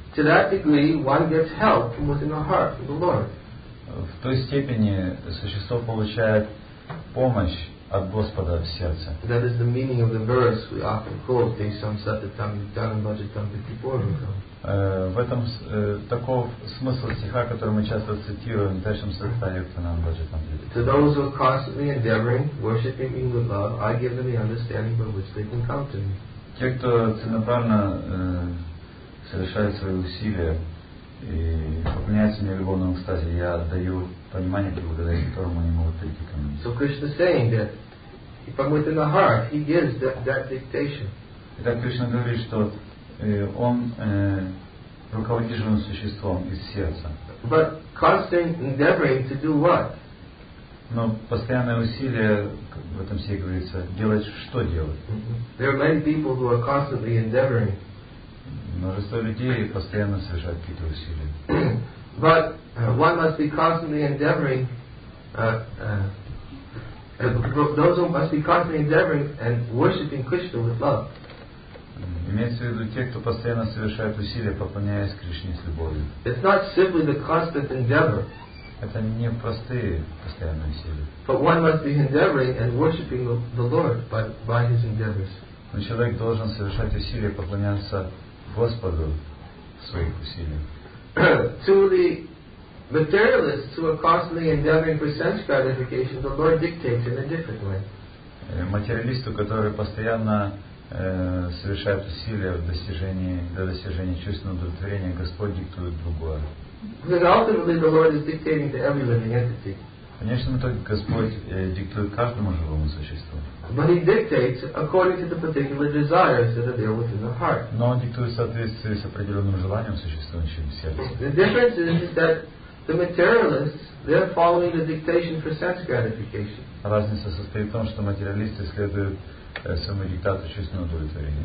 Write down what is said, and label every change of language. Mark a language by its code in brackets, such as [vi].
[en] To that degree, one gets help from within the heart of the Lord. [ru] В той степени существо получает помощь от Господа в сердце. [en] That is the meaning of the verse we often quote: [sa] "Te samsatatam yutanam bhajatam vittipurvakam." [ru] В этом таков смысл стиха, который мы часто цитируем: [sa] "Te samsatatam yutanam bhajatam vittipurvakam." [en] To those who are constantly endeavoring, worshipping me with love, I give them the understanding by which they can come to me. [ru] Те, кто целенаправленно совершает свои усилия и поклоняется мне в любовном экстазе, я даю понимание, благодаря которому они могут прийти ко мне. [en] So Krishna is saying that if I'm within the heart, he gives that dictation. [ru] Итак, Кришна говорит, что он руководит живым существом из сердца. [en] But constant endeavoring to do what? [ru] Но постоянное усилие, в этом все говорится, делать что делать? Mm-hmm. [en] There are many people who are constantly endeavoring. [ru] Множество людей постоянно совершают какие-то усилия. [en] But one must be constantly endeavoring. Those who must be constantly endeavoring and worshipping Krishna with love. [ru] Имеется в виду те, кто постоянно совершает усилия, поклоняясь Кришне с любовью. [en] It's not simply the constant endeavor. [ru] Это не простые постоянные усилия. [en] But one must be endeavoring and worshipping the Lord by his endeavors. [ru] Но человек должен совершать усилия, поклоняться Господу в своих усилиях. [en] To the materialists who are constantly endeavoring for sense gratification, the Lord dictates in a different way. [ru] Материалисту, который постоянно совершает усилия для достижения чувственного удовлетворения, Господь диктует другое. [en] Ultimately, the Lord is dictating to every living entity. [ru] Конечно, только Господь диктует каждому живому существу. [en] But He dictates according to the particular desires that are there within the heart. [ru] Но Он диктует в соответствии с определенным желанием существующим в сердце. [en] The difference is that the materialists, they are following the dictation for sense gratification. [ru] Разница состоит в том, что материалисты следуют своему диктату чувственного удовлетворения.